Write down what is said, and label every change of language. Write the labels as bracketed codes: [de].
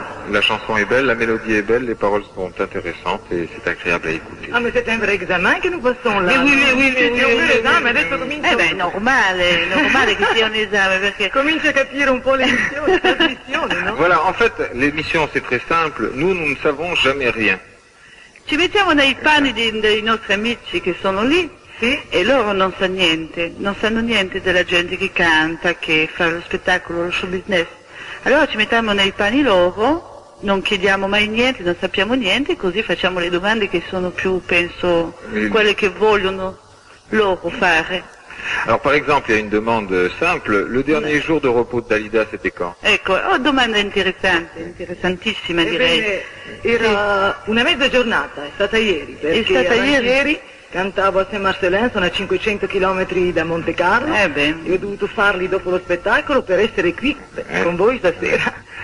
[fr] La chanson est belle, la mélodie est belle, les paroles sont intéressantes et c'est agréable à écouter. Ah, mais c'est un vrai examen que nous passons là. [it] Eh ben, normale che sia un esame, perché... Comincia a capire un po' [fr] l'émission, la transmission, [it] non? [fr] Voilà, en fait, l'émission c'est très simple, nous ne savons jamais rien. [it] Ci mettiamo nei panni dei nostri amici che sono lì, sì? E loro non sanno niente, non sanno niente della gente che canta, che fa lo spettacolo, lo show business. Allora ci mettiamo nei panni loro, non chiediamo mai niente, non sappiamo niente, così facciamo le domande che sono più, penso, quelle che vogliono loro fare. [fr] Alors par exemple, il y a une demande simple, le dernier jour de repos de Dalida, c'était quand? [it] Ecco, domanda interessante, interessantissima direi. Ebbene, era una mezza giornata, è stata ieri, perché è stata ieri. Cantavo a Saint-Marcellin, sono a 500 km da Monte Carlo. Beh. E ho dovuto farli dopo lo spettacolo per essere qui con voi stasera.